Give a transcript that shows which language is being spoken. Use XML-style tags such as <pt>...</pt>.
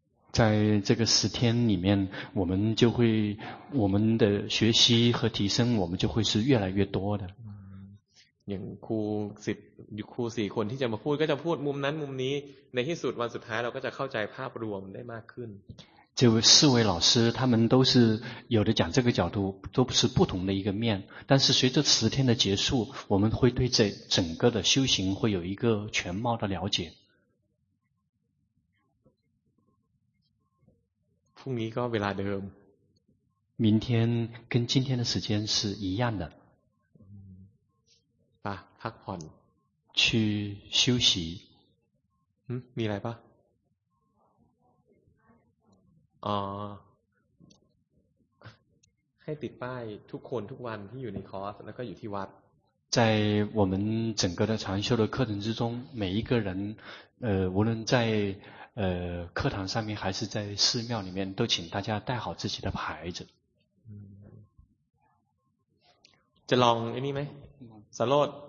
<zh>在这个十天里面，我们的学习和提升，我们就会是越来越多的。</zh> <th>อย่างครูสิบครูสี่คนที่จะมาพูดก็จะพูดมุมนั้นมุมนี้ในที่สุดวันสุดท้ายเราก็จะเข้าใจภาพรวมได้มากขึ้น</th> <zh>这四位老师他们都是有的讲这个角度都是不同的一个面但是随着十天的结束我们会对这整个的修行会有一个全貌的了解</zh> <th>พรุ่งนี้ก็เวลาเดิม</th> <zh>明天跟今天的时间是一样的</zh> <th>พักผ่อน</th> <zh>去休息</zh> <th>มีอะไรป่ะให้ติดป้ายทุกคนทุกวันที่อยู่ในคอร์สแล้วก็อยู่ที่วัด</th> <zh>在我们整个的禅修的课程之中每一个人无论在课堂上面还是在寺庙里面都请大家带好自己的牌子</zh> <th>จะลองอันนี้ไหมสโลด</th>